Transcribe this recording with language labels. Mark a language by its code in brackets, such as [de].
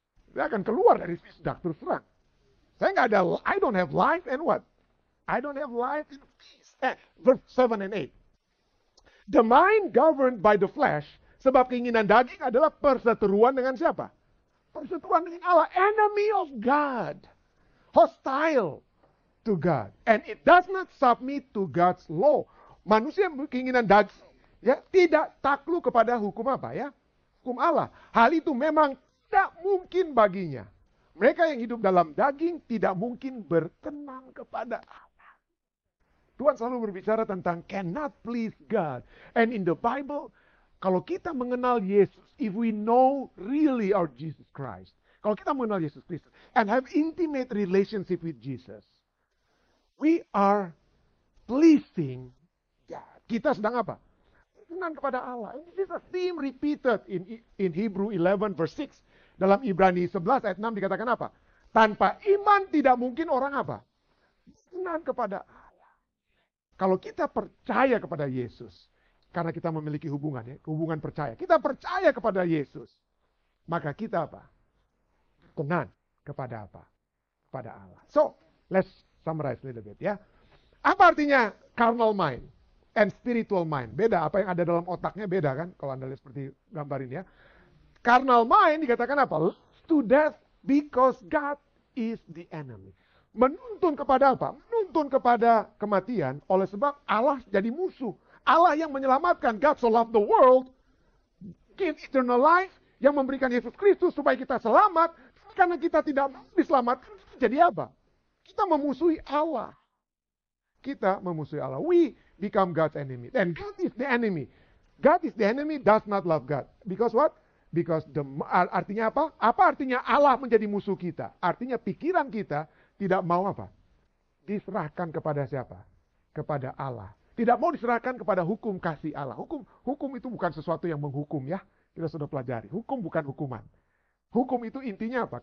[id] Saya akan keluar dari fisdak terus terang. Saya nggak ada, [en] I don't have life and what? I don't have life in peace. Verse 7 and 8. The mind governed by the flesh, [id] sebab keinginan daging adalah perseteruan dengan siapa? Perseteruan dengan Allah. [en] Enemy of God. Hostile to God. And it does not submit to God's law. [id] Manusia keinginan daging, ya, tidak takluk kepada hukum apa ya? Hukum Allah. Hal itu memang tidak mungkin baginya. Mereka yang hidup dalam daging tidak mungkin berkenan kepada Allah. Tuhan selalu berbicara tentang [en] cannot please God. And in the Bible, [id] kalau kita mengenal Yesus, [en] if we know really our Jesus Christ, [id] kalau kita mengenal Yesus Kristus, [en] and have intimate relationship with Jesus, we are pleasing God. [id] Kita sedang apa? Berkenan kepada Allah. [en] And this is a theme repeated in Hebrew 11 verse 6. [id] Dalam Ibrani 11 ayat 6 dikatakan apa? Tanpa iman tidak mungkin orang apa? Senang kepada Allah. Kalau kita percaya kepada Yesus, karena kita memiliki hubungan ya, hubungan percaya. Kita percaya kepada Yesus, maka kita apa? Senang kepada apa? Kepada Allah. [en] So, let's summarize a little bit [id] ya. Apa artinya [en] carnal mind and spiritual mind? [id] Beda, apa yang ada dalam otaknya beda kan? Kalau Anda lihat seperti gambar ini ya. Carnal mind dikatakan apa? [en] To death because God is the enemy. [id] Menuntun kepada apa? Menuntun kepada kematian oleh sebab Allah jadi musuh. Allah yang menyelamatkan. [en] God so loved the world, give eternal life, [id] yang memberikan Yesus Kristus supaya kita selamat. Karena kita tidak diselamatkan, jadi apa? Kita memusuhi Allah. Kita memusuhi Allah. [en] We become God's enemy. And God is the enemy. God is the enemy, does not love God. Because what? Because [id] artinya apa? Apa artinya Allah menjadi musuh kita? Artinya pikiran kita tidak mau apa? Diserahkan kepada siapa? Kepada Allah. Tidak mau diserahkan kepada hukum kasih Allah. Hukum itu bukan sesuatu yang menghukum ya. Kita sudah pelajari. Hukum bukan hukuman. Hukum itu intinya apa?